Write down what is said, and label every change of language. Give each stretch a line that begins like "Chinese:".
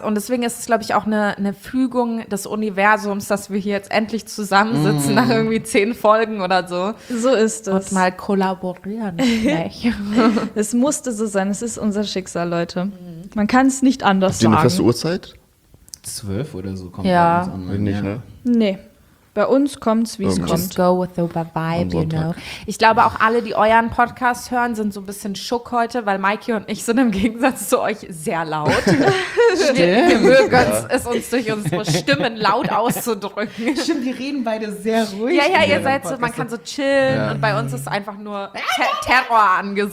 German: Und deswegen ist es, glaube ich, auch eine Fügung des Universums, dass wir hier jetzt endlich zusammensitzen nach irgendwie 10 Folgen oder so. So ist es. Und mal kollaborieren. Es musste so sein. Es ist unser Schicksal, Leute. Man kann es nicht anders sagen. Habt ihr eine feste Uhrzeit? 12 oder so kommt alles an. Nicht, ne? Nee. Bei uns kommt's, wie es kommt.
English: Just go with the vibe, you know.
German: Ich glaube, auch alle, die euren Podcast hören, sind so ein bisschen schock heute, weil Mikey und ich sind im Gegensatz zu euch sehr laut. Stimmt. Wir mögen es uns durch unsere Stimmen laut auszudrücken. Stimmt, die reden beide sehr ruhig. Ja, ja, ihr seid so, man kann so chillen und bei uns ist einfach nur Terror angesagt.